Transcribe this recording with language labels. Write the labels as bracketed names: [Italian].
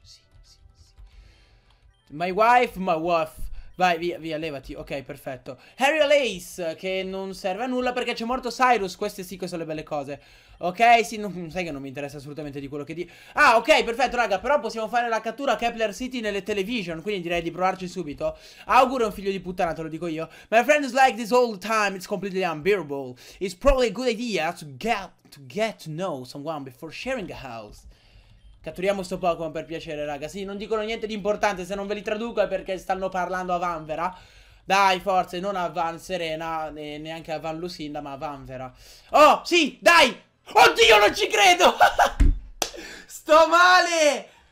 [Italian] Sì, sì, sì. [English] My wife, my wife. [Italian] Vai, via, via, levati. Ok, perfetto. Harry Lace, che non serve a nulla perché c'è morto Cyrus. Queste sì che sono le belle cose. Ok, sì, non, sai che non mi interessa assolutamente di quello che dico. Ah, ok, perfetto, raga. Però possiamo fare la cattura a Kepler City nelle television. Quindi direi di provarci subito. Auguro un figlio di puttana, te lo dico io. [English] My friend is like this all the time. It's completely unbearable. It's probably a good idea to get to know someone before sharing a house. [Italian] Catturiamo sto Pokémon per piacere, raga. Sì, non dicono niente di importante. Se non ve li traduco è perché stanno parlando a Vanvera. Dai, forse, non a Van Serena e neanche a Van Lucinda, ma a Vanvera. Oh, sì, dai. Oddio, non ci credo. Sto male.